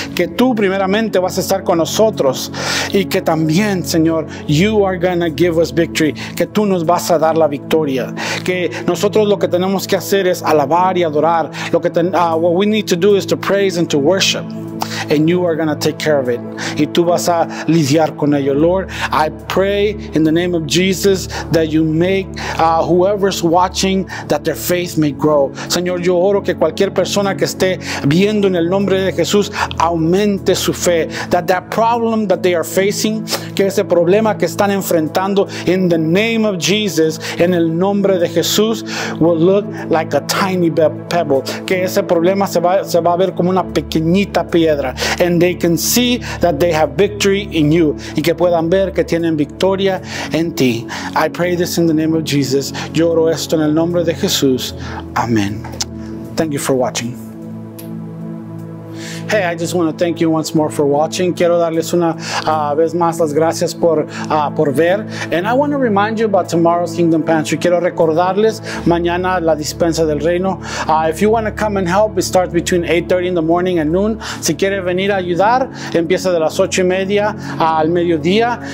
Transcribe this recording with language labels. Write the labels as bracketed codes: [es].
[es] Que tú primeramente vas a estar con nosotros. Y que también, Señor, [en] you are going to give us victory. [es] Que tú nos vas a dar la victoria. Que nosotros lo que tenemos que hacer es alabar y adorar. [en] What we need to do is to praise and to worship, and you are going to take care of it. [es] Y tú vas a lidiar con ello. [en] Lord, I pray in the name of Jesus that you make whoever's watching, that their faith may grow. [es] Señor, yo oro que cualquier persona que esté viendo en el nombre de Jesús aumente su fe. [en] That problem that they are facing, [es] que ese problema que están enfrentando, [en] in the name of Jesus, [es] en el nombre de Jesús, [en] will look like a tiny pebble, [es] que ese problema se va a ver como una pequeñita piedra, [en] and they can see that they have victory in you, [es] y que puedan ver que tienen victoria en ti. [en] I pray this in the name of Jesus. [es] Yo oro esto en el nombre de Jesús. Amén. [en] Thank you for watching. Hey, I just want to thank you once more for watching. [es] Quiero darles una vez más las gracias por ver. [en] And I want to remind you about tomorrow's Kingdom Pantry. [es] Quiero recordarles mañana la dispensa del reino. [en] If you want to come and help, it starts between 8:30 in the morning and noon. [es] Si quiere venir a ayudar, empieza de las 8:30 al mediodía.